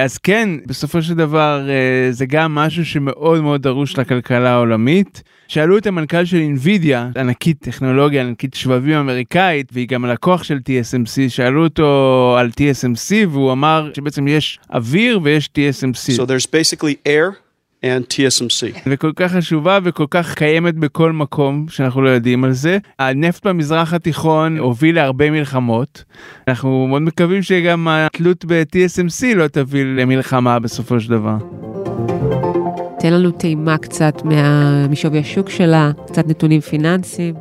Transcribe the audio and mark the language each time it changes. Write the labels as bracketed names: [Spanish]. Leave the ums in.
[Hebrew] אז כן, בסופו של דבר זה גם משהו שמאוד מאוד דרוש לכלכלה העולמית. שאלו את המנכ״ל של אינווידיה, ענקית טכנולוגיה, ענקית שבבים אמריקאית, והיא גם הלקוח של TSMC, שאלו אותו על TSMC, והוא אמר שבעצם יש אוויר ויש TSMC. [English] So there's basically air and TSMC. [Hebrew] וכל כך חשובה וכל כך קיימת בכל מקום שאנחנו לא יודעים על זה. הנפט במזרח התיכון הוביל להרבה מלחמות. אנחנו מאוד מקווים שגם התלות ב-TSMC לא תביא למלחמה בסופו של דבר. תן לנו טעימה קצת משווי השוק שלה, קצת נתונים פיננסיים.